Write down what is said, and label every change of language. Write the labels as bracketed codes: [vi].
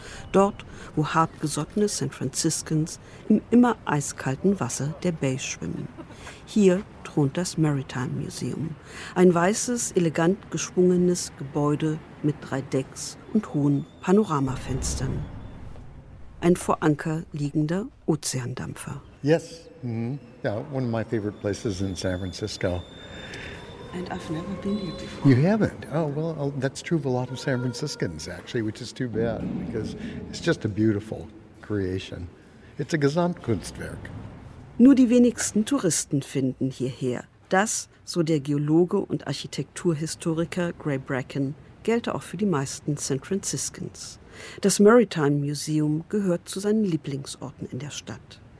[de] Dort, wo hartgesottene San Franciscans im immer eiskalten Wasser der Bay schwimmen. Hier thront das Maritime Museum. Ein weißes, elegant geschwungenes Gebäude mit 3 Decks und hohen Panoramafenstern. Ein vor Anker liegender Ozeandampfer. [en] Yes, yeah, one of my favorite places in San Francisco. And I've never been here before. You haven't? Oh, well, that's true of a lot of San Franciscans, actually, which is too bad, because it's just a beautiful creation. It's a Gesamtkunstwerk. [de] Nur die wenigsten Touristen finden hierher. Das, so der Geologe und Architekturhistoriker Gray Bracken, gelte auch für die meisten San Franciscans. Das Maritime Museum gehört zu seinen Lieblingsorten in der Stadt.